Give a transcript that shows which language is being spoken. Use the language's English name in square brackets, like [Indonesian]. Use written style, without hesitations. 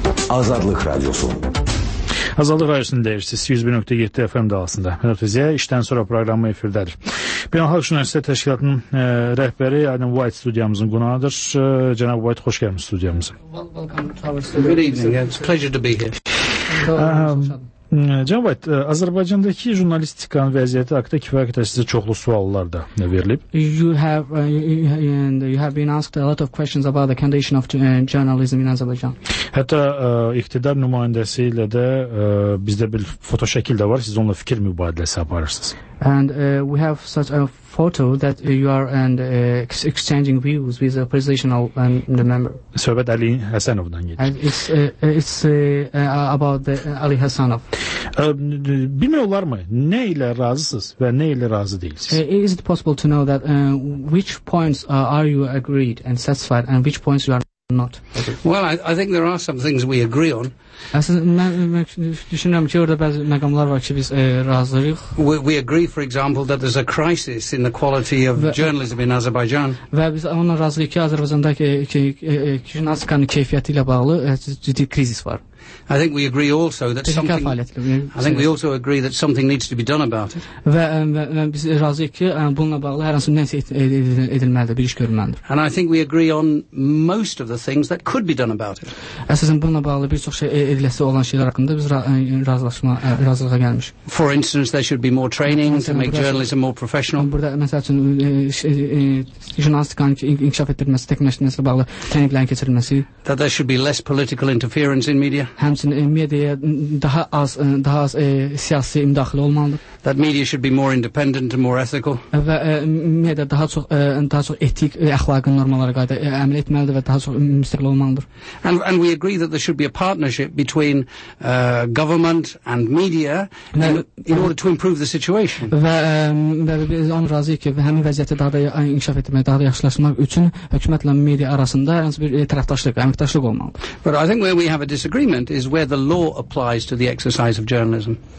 [Azerbaijani] Azadlıq Radiosu. Azadlıq Radiosunu deyirsiniz 101.7 FM dalğasında. Mərhəbəzəyə işdən sonra proqramı efirdədir. Beynəlxalq Jurnalistlər Təşkilatının rəhbəri Aydın White studiyamızın qonağıdır. Cənab White, xoş gəlmiş studiyamıza. [English] Welcome to our studio. Good evening. It's a pleasure to be here. [Azerbaijani] Cavad, Azərbaycandakı jurnalistikanın vəziyyəti haqqında kifayət qədər sizə çoxlu suallar da verilib. [English] You have been asked a lot of questions about the condition of journalism in Azerbaijan. [Azerbaijani] Hətta iqtidar nümayəndəsi ilə də bizdə bir foto şəkil də var. Siz onunla fikir mübadiləsi aparırsınız. [English] And we have such a photo that you are and exchanging views with a presidential member. [Azerbaijani] Söhbət Ali Həsənovdan gedir. [English] And it's about the Ali Həsənov. [Azerbaijani] Bilmək olar mı? Nə ilə razısınız və nə ilə razı deyilsiniz? [English] Is it possible to know that which points are you agreed and satisfied and which points you are not? Well, I think there are some things we agree on. [Azerbaijani] Düşünürəm ki, orada bəzi məqamlar var ki, biz razılıyıq. [English] We agree, for example, that there's a crisis in the quality of journalism in Azerbaijan. [Azerbaijani] Və biz onunla razılıyıq ki, Azərbaycandakı jurnalistikanın keyfiyyəti ilə bağlı ciddi kriz var. [English] I think we agree also that something needs to be done about it. [Azerbaijani] Və biz razıyıq ki, bununla bağlı hər hansı nəsə edilməlidir, bir iş görülməlidir. [English] And I think we agree on most of the things that could be done about it. [Azerbaijani] Əsasən bununla bağlı bir çox şey ediləsi olan şeylər haqqında biz razılığa gəlmişik. [English] For instance, there should be more training to make journalism more professional. [Azerbaijani] Burada məsəl üçün jurnalistikanın inkişaf etdirilməsi, təkmilləşdirilməsi bağlı treninglərin keçirilməsi. [English] That there should be less political interference in media. [Azerbaijani] Həmçinin mediaya daha az siyasi müdaxilə olmalıdır. [English] That media should be more independent and more ethical. [Azerbaijani] Və media daha çox etik, əxlaqi normalara qayda əməl etməlidir və daha çox müstəqil olmalıdır. [English] And we agree that there should be a partnership between government and media in order to improve the situation. [Azerbaijani] Və biz onu razıyıq ki, həmin vəziyyəti daha da inkişaf etmək, daha da yaxşılaşmaq üçün hökumətlə media arasında hər hansı bir tərəfdaşlıq, əməkdaşlıq olmalıdır. [English] But I think where we have a disagreement is where the law applies to the exercise of journalism.